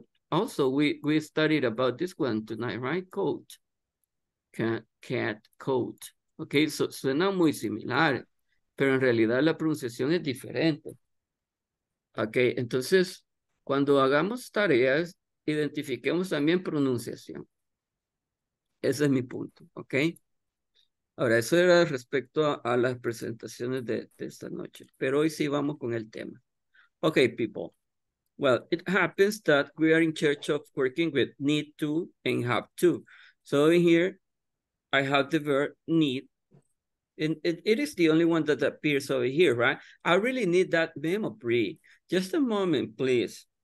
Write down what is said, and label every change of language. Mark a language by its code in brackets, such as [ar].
[en] Also, we studied about this one tonight, right? Coat. Cat, coat. [es] Okay, so suena muy similar, pero en realidad la pronunciación es diferente. Okay, entonces, cuando hagamos tareas, identifiquemos también pronunciación. Ese es mi punto, okay? Ahora, eso era respecto a las presentaciones de esta noche, pero hoy sí vamos con el tema. [en] Okay, people. Well, it happens that we are in charge of working with need to and have to. So in here, I have the verb need. And it is the only one that appears over here, right? I really need that memo, Bree. Just a moment, please.